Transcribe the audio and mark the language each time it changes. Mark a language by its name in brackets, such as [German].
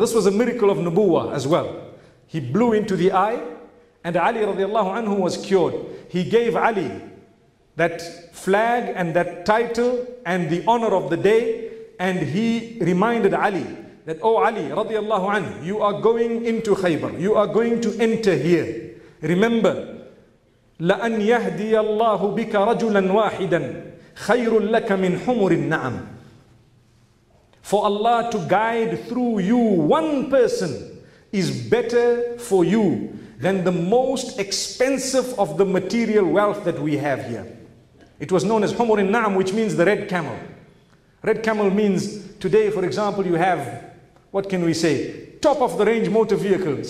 [English] This was a miracle of Nubuwwah as well. He blew into the eye and Ali radiallahu anhu was cured. He gave Ali that flag and that title and the honor of the day. And he reminded Ali that, oh Ali radiallahu anhu, you are going into Khaybar. You are going to enter here. Remember, [Arabic] لَأَنْ يَهْدِيَ اللَّهُ بِكَ رَجُلًا وَاحِدًا خَيْرٌ لَكَ مِنْ حُمُرِ النَّعَمِ. [English] For Allah to guide through you one person is better for you than the most expensive of the material wealth that we have here. It was known as Humur al-Na'am, which means the red camel. Red camel means today, for example, you have, what can we say, top of the range motor vehicle.